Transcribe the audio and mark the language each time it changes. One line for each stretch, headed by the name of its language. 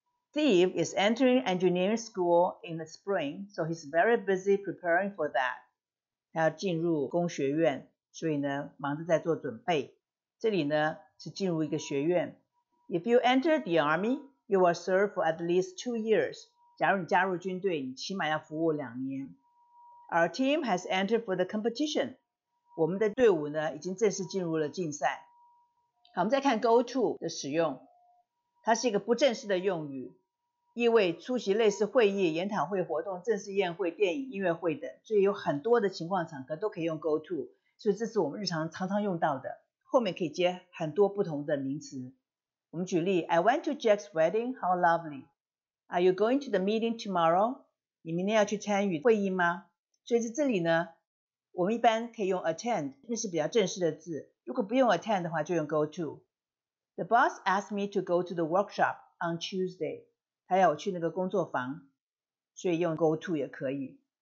English: Steve is entering engineering school in the spring, so he's very busy preparing for that.
Chinese: 他要进入工学院，所以呢忙着在做准备。这里呢是进入一个学院。
English: If you enter the army, you will serve for at least 2 years.
Chinese: 假如你加入军队，你起码要服务两年。
English: Our team has entered for the competition.
Chinese: 我们的队伍呢，已经正式进入了竞赛。好，我们再看 go to 的使用，它是一个不正式的用语，意味出席类似会议、研讨会活动、正式宴会、电影、音乐会等，所以有很多的情况场合都可以用 go to， 所以这是我们日常常常用到的，后面可以接很多不同的名词。我们举例，
English: I went to Jack's wedding, how lovely. Are you going to the meeting tomorrow?
Chinese: 你明天要去参与会议吗？所以在这里呢，我们一般可以用 attend， 那是比较正式的字，如果不用 attend 的话就用 go to。
English: The boss asked me to go to the workshop on Tuesday，
Chinese: 他要我去那个工作房，所以用 go to 也可以。